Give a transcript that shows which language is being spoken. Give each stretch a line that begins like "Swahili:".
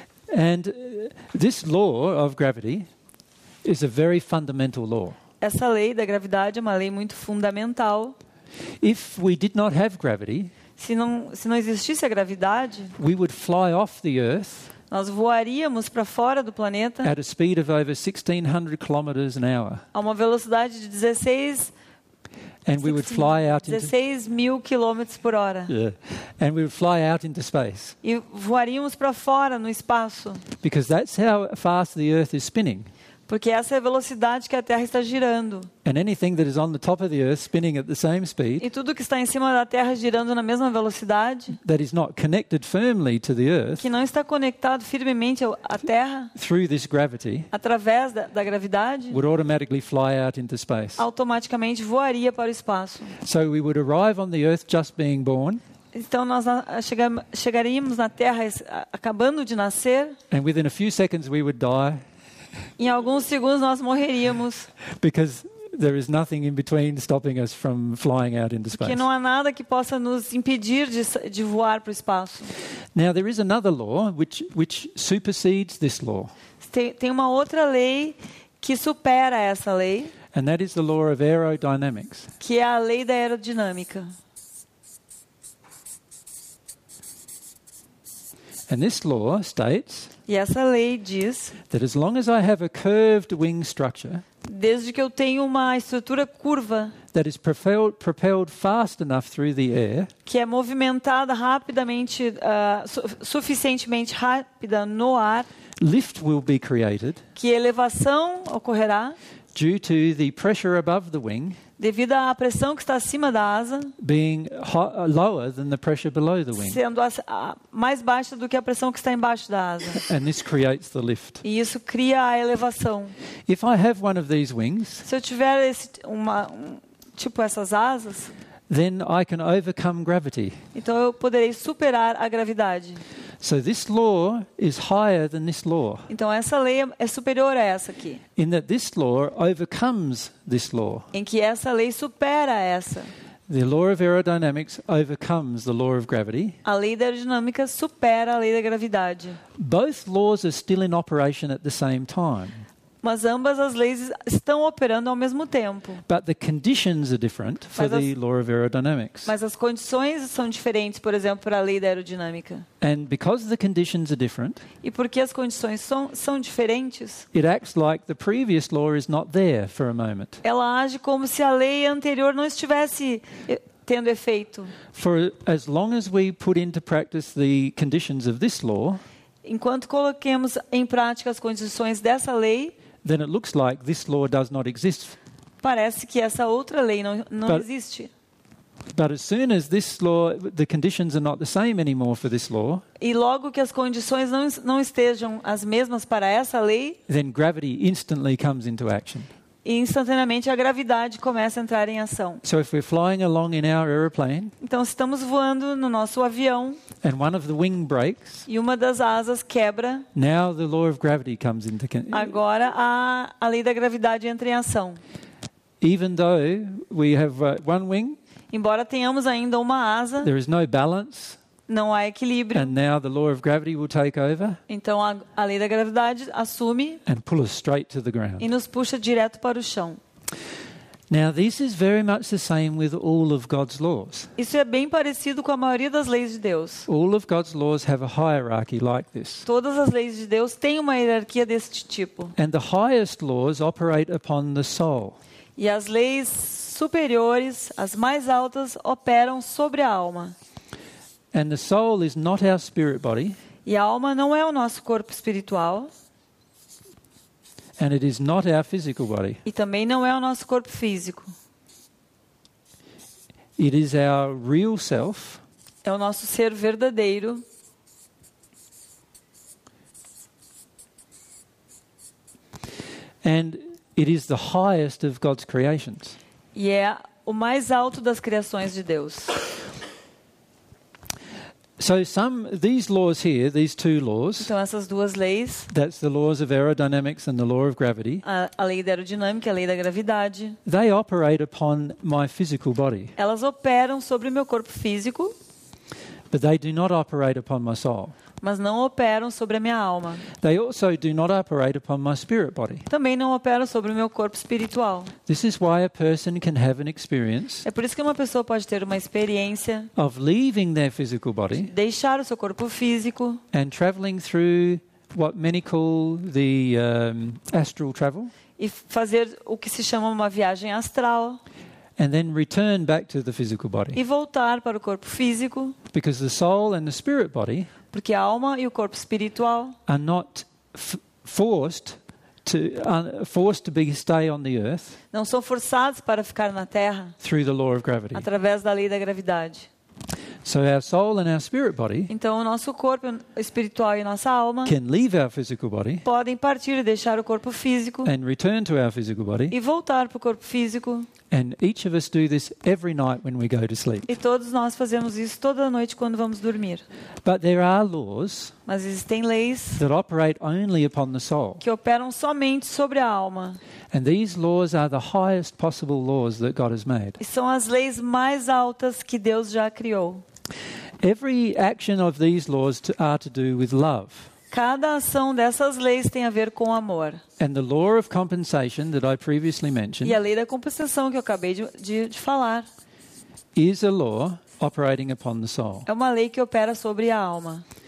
English: And this law of gravity is a very fundamental law.
Portuguese: Essa lei da gravidade é uma lei muito fundamental.
English: If we did not have gravity,
Portuguese: se não existisse a gravidade,
English: we would fly off the earth.
Portuguese: Nós voaríamos para fora do planeta.
English: At a speed of over 1600 kilometers an hour.
Portuguese: A uma velocidade de 16
English: And we would fly out into
Portuguese: 16,000 quilômetros por hora.
English: Yeah. And we would fly out into space.
Portuguese: E voaríamos para fora no espaço.
English: Because that's how fast the Earth is spinning.
Portuguese: Porque essa é a velocidade que a Terra está girando.
English: And anything that is on the top of the Earth spinning at the same speed.
Portuguese: E tudo que está em cima da Terra girando na mesma velocidade.
English: That is not connected firmly to the Earth.
Portuguese: Que não está conectado firmemente à Terra.
English: Through this gravity.
Portuguese: Através da gravidade.
English: Would automatically fly out into space.
Portuguese: Automaticamente voaria para o espaço.
English: So we would arrive on the Earth just being born.
Portuguese: Então nós chegaríamos na Terra acabando de nascer.
English: And within a few seconds we would die.
Portuguese: Em alguns segundos nós morreríamos.
English: Because there is nothing in between stopping us from flying out into space.
Portuguese: Porque não há nada que possa nos impedir de voar para o espaço.
English: Now there is another law which supersedes this law.
Portuguese: Tem uma outra lei que supera essa lei.
English: And that is the law of aerodynamics.
Portuguese: Que é a lei da aerodinâmica.
English: And this law states.
Portuguese: E essa lei diz
English: that as long as I have a curved wing structure,
Portuguese: desde que eu tenho uma estrutura curva,
English: that is propelled fast enough through the air,
Portuguese: que é movimentada rapidamente, suficientemente rápida no ar,
English: lift will be created,
Portuguese: que elevação ocorrerá,
English: due to the pressure above the wing,
Portuguese: devido à pressão que está acima da asa,
English: being lower than the pressure below the wing,
Portuguese: sendo mais baixa do que a pressão que está embaixo da asa.
English: And this creates the lift.
Portuguese: E isso cria a elevação.
English: If I have one of these wings,
Portuguese: se eu tiver tipo essas asas,
English: then I can overcome gravity.
Portuguese: Então eu poderei superar a gravidade.
English: So this law is higher than this law.
Portuguese: Então essa lei é superior a essa aqui.
English: In that this law overcomes this law.
Portuguese: Em que essa lei supera essa.
English: The law of aerodynamics overcomes the law of gravity.
Portuguese: A lei da aerodinâmica supera a lei da gravidade.
English: Both laws are still in operation at the same time.
Portuguese: Mas ambas as leis estão operando ao mesmo tempo.
English: But the conditions are different for the law of aerodynamics.
Portuguese: Mas as condições são diferentes, por exemplo, para a lei da aerodinâmica.
English: And because the conditions are different,
Portuguese: e porque as condições são diferentes,
English: it acts like the previous law is not there for a moment.
Portuguese: Ela age como se a lei anterior não estivesse tendo efeito.
English: For as long as we put into practice the conditions of this law,
Portuguese: enquanto coloquemos em prática as condições dessa lei,
English: then it looks like this law does not exist.
Portuguese: Parece que essa outra lei não existe.
English: But as soon as this law, the conditions are not the same anymore for this law.
Portuguese: E logo que as condições não estejam as mesmas para essa lei,
English: then gravity instantly comes into action.
Portuguese: E instantaneamente a gravidade começa a entrar em ação.
English: So if we're flying along in our aeroplane,
Portuguese: então se estamos voando no nosso avião,
English: and one of the wing breaks,
Portuguese: e uma das asas quebra,
English: now the law of gravity comes into
Portuguese: agora a lei da gravidade entra em ação.
English: Even though we have one wing,
Portuguese: embora tenhamos ainda uma asa,
English: there is no balance,
Portuguese: não há equilíbrio.
English: And now the law of gravity will take over.
Portuguese: Então a lei da gravidade assume.
English: And pull us straight to the ground.
Portuguese: E nos puxa direto para o chão.
English: Now this is very much the same with all of God's laws.
Portuguese: Isso é bem parecido com a maioria das leis de Deus.
English: All of God's laws have a hierarchy like this.
Portuguese: Todas as leis de Deus têm uma hierarquia deste tipo.
English: And the highest laws operate upon the soul.
Portuguese: E as leis superiores, as mais altas, operam sobre a alma.
English: And the soul is not our spirit body.
Portuguese: E a alma não é o nosso corpo espiritual.
English: And it is not our physical body.
Portuguese: E também não é o nosso corpo físico.
English: It is our real self.
Portuguese: É o nosso ser verdadeiro.
English: And it is the highest of God's creations.
Portuguese: E é o mais alto das criações de Deus.
English: So some these laws here, these two laws.
Portuguese: Então essas duas leis.
English: That's the laws of aerodynamics and the law of gravity.
Portuguese: A lei da aerodinâmica e a lei da gravidade.
English: They operate upon my physical body.
Portuguese: Elas operam sobre o meu corpo físico.
English: But they do not operate upon my soul.
Portuguese: mas não operam sobre a minha alma.
English: They also do not operate upon my spirit body.
Portuguese: Também não operam sobre o meu corpo espiritual.
English: This is why a person can have an experience.
Portuguese: É por isso que uma pessoa pode ter uma experiência
English: of leaving their physical body.
Portuguese: Deixar o seu corpo físico
English: and traveling through what many call the astral travel.
Portuguese: E fazer o que se chama uma viagem astral.
English: And then return back to the physical body.
Portuguese: E voltar para o corpo físico.
English: Because the soul and the spirit body.
Portuguese: Porque a alma e o corpo espiritual.
English: Are not forced to be stay on the earth.
Portuguese: Não são forçados para ficar na terra.
English: Through the law of gravity.
Portuguese: Através da lei da gravidade.
English: So our soul and our spirit body.
Portuguese: Então o nosso corpo espiritual e nossa alma.
English: Can leave our physical body.
Portuguese: Podem partir e deixar o corpo físico.
English: And return to our physical body.
Portuguese: E voltar para o corpo físico.
English: And each of us do this every night when we go to sleep.
Portuguese: E todos nós fazemos isso toda noite quando vamos dormir.
English: But there are laws.
Portuguese: Mas existem leis.
English: That operate only upon the soul.
Portuguese: Que operam somente sobre a alma.
English: And these laws are the highest possible laws that God has made.
Portuguese: E são as leis mais altas que Deus já criou.
English: Every action of these laws are to do with love.
Portuguese: Cada ação dessas leis tem a ver com amor.
English: And the law of compensation that I previously mentioned.
Portuguese: E a lei da compensação que eu acabei de falar.
English: Is a law operating upon the soul.
Portuguese: É uma lei que opera sobre a alma.